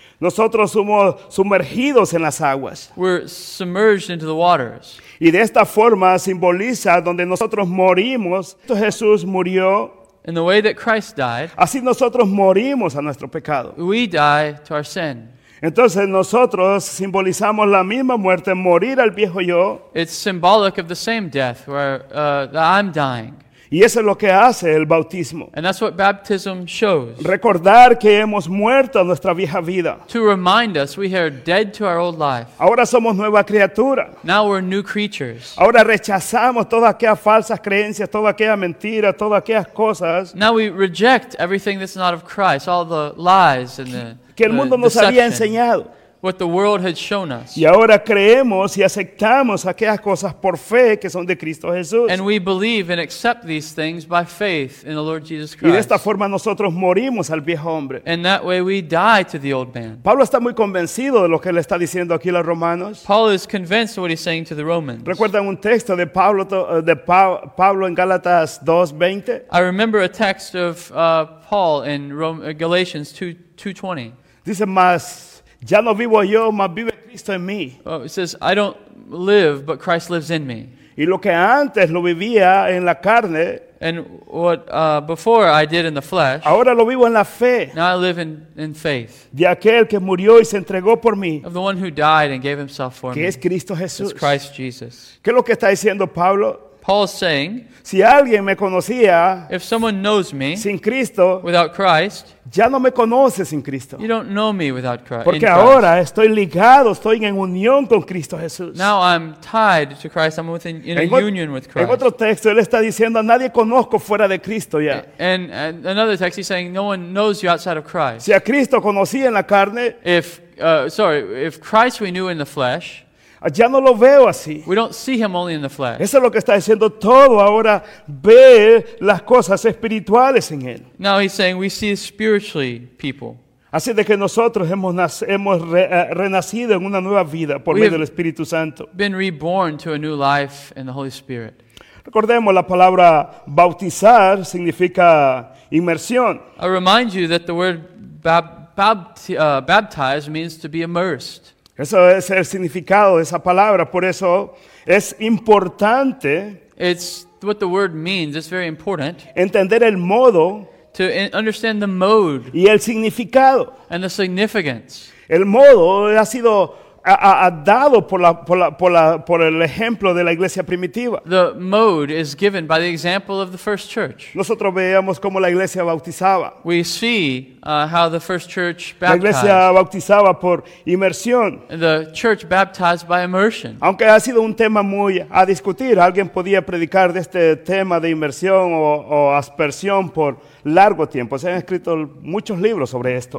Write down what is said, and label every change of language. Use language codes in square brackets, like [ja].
[es] Nosotros somos sumergidos en las aguas. [en] We're submerged into the waters. [es] Y de esta forma simboliza donde nosotros morimos. Jesús murió. [en] In the way that Christ died. [es] Así nosotros morimos a nuestro pecado. [en] We die to our sin. [es] Entonces nosotros simbolizamos la misma muerte, morir al viejo yo. [en] It's symbolic of the same death where that I'm dying. [es] Y eso es lo que hace el bautismo. [en] And that's what baptism shows. [es] Recordar que hemos muerto nuestra vieja vida. [en] To remind us, we are dead to our old life. [es] Ahora somos nueva criatura. [en] Now we're new creatures. [es] Ahora rechazamos todas aquellas falsas creencias, todas aquellas mentiras, todas aquellas cosas. [en] Now we reject everything that's not of Christ, all the lies and the deception. [es] Que el mundo nos había enseñado. [en] What the world had shown us. [es] Y ahora creemos y aceptamos aquellas cosas por fe que son de Cristo Jesús. [en] And we believe and accept these things by faith in the Lord Jesus Christ. [es] Y de esta forma nosotros morimos al viejo hombre. [en] And that way we die to the old man. [es] Pablo está muy convencido de lo que le está diciendo aquí a los romanos. [en] Paul is convinced of what he's saying to the Romans. [es] ¿Recuerdan un texto de Pablo Pablo en Gálatas 2:20? [en] I remember a text of Paul in Galatians 2:20. [es] Dice más. Ya no vivo yo, mas vive Cristo en mí. [en] Oh, it says, I don't live, but Christ lives in me. [es] Y lo que antes lo vivía en la carne. [en] And what before I did in the flesh. [es] Ahora lo vivo en la fe. [en] Now I live in faith. [es] De aquel que murió y se entregó por mí. [en] Of the one who died and gave himself for me. [es] Que es Cristo Jesús. [en] It's Christ Jesus. [es] ¿Qué es lo que está diciendo Pablo? [en] Paul's saying, [es] si alguien me conocía, [en] if someone knows me [es] sin Cristo, [en] without Christ, [es] ya no me conoce sin Cristo. [en] You don't know me without Christ. [es] Porque ahora estoy ligado, estoy en unión con Cristo Jesús. [en] Now I'm tied to Christ, I'm union with Christ. [es] En otro texto, él está diciendo, nadie conozco fuera de Cristo ya. [en] And another text, he's saying, no one knows you outside of Christ. [es] Si a Cristo conocí en la carne, [en] if Christ we knew in the flesh, [es] ya no lo veo así. [en] We don't see him only in the flesh. [es] Eso es lo que está diciendo todo ahora. Ve las cosas espirituales en él. [en] Now he's saying we see spiritually people. [es] Así de que nosotros hemos renacido en una nueva vida por medio del Espíritu Santo. [en] Been reborn to a new life in the Holy Spirit. [es] Recordemos la palabra bautizar significa inmersión. [en] I remind you that the word baptize means to be immersed. [es] Eso es el significado de esa palabra, por eso es importante. [en] It's what the word means. It's very important. [es] Entender el modo. [en] To understand the mode. [es] Y el significado. [en] And the significance. [es] El modo ha sido dado por el ejemplo de la iglesia primitiva. [en] The mode is given by the example of the first church. [es] Nosotros veíamos cómo la iglesia bautizaba. [en] We see how the first church baptized. [es] La iglesia bautizaba por inmersión. [en] The church baptized by immersion. [es] Aunque ha sido un tema muy a discutir, alguien podía predicar de este tema de inmersión o aspersión por largo tiempo. Se han escrito muchos libros sobre esto.